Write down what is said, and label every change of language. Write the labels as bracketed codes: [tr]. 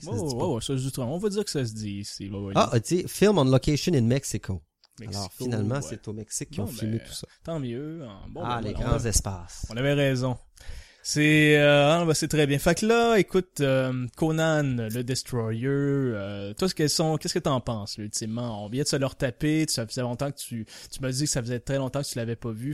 [fr] Ça se dit pas. On va dire que ça se dit ici. [en] Film on location in Mexico. [fr] Mexico, alors finalement, ouais. C'est au Mexique qu'ils ont filmé tout ça. Tant mieux. Les grands espaces. On avait raison. C'est très bien. Fait que là, écoute, Conan, le Destroyer, qu'est-ce que t'en penses, là, ultimement? On vient de se leur taper, ça faisait longtemps que tu m'as dit que ça faisait très longtemps que tu l'avais pas vu.